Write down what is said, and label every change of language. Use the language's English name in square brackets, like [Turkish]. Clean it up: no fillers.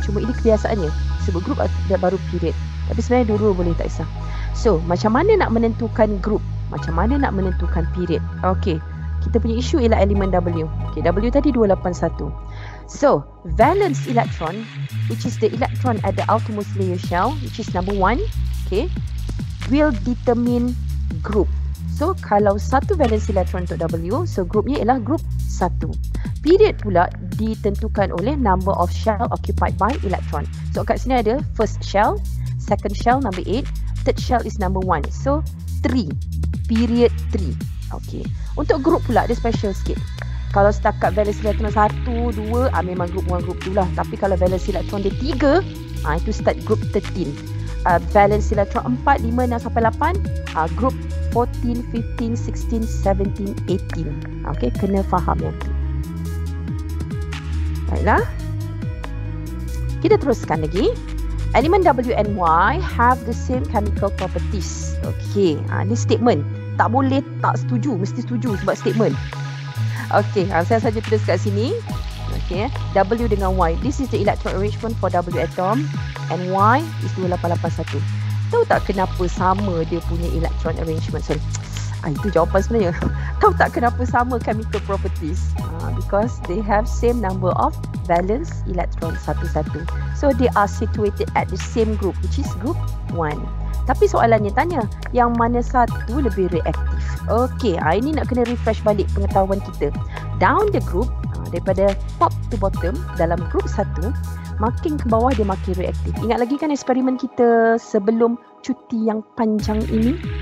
[Malay] Cuma ini kebiasaannya, sebut group dan baru period. Tapi sebenarnya dulu boleh, tak kisah. So, macam mana nak menentukan group? Macam mana nak menentukan period? Okay, kita punya isu ialah element W. Okay, W tadi 281. [English] So, valence electron, which is the electron at the outermost layer shell, which is number 1, okay, will determine group. [Malay] So, kalau satu valence electron untuk W, so groupnya ialah group 1. Period pula ditentukan oleh [English] number of shell occupied by electron. So, [Malay] kat sini ada [English] first shell, second shell number 8, third shell is number 1. So, 3. Period 3. Okay. [Malay] Untuk group pula, dia special sikit. Kalau setakat valence electron 1, 2, memang group 1, group 2 lah. Tapi kalau valence electron dia 3, itu start group 13. Valence electron 4, 5, 6 sampai 8, group 14, 15, 16, 17, 18. Okay, kena faham yang tu. Baiklah. Kita teruskan lagi. [English] Element W and Y have the same chemical properties. [Malay] Okay, ini statement. Tak boleh tak setuju, mesti setuju sebab statement. Okey, saya saja tulis kat sini. Okey, W dengan Y. [English] This is the electron arrangement for W atom and Y is 2881. [Malay] Tahu tak kenapa sama dia punya electron arrangement? Sorry. Itu jawapan sebenarnya. Tahu tak kenapa sama [English] chemical properties? Because they have same number of valence electron [Malay] satu-satu. [English] So they are situated at the same group, which is group 1. [Malay] Tapi soalannya tanya, yang mana satu lebih reaktif? Okay, ini nak kena refresh balik pengetahuan kita. [English] Down the group, [Malay] daripada [English] top to bottom [Malay] dalam group 1, makin ke bawah dia makin reaktif. Ingat lagi kan eksperimen kita sebelum cuti yang panjang ini?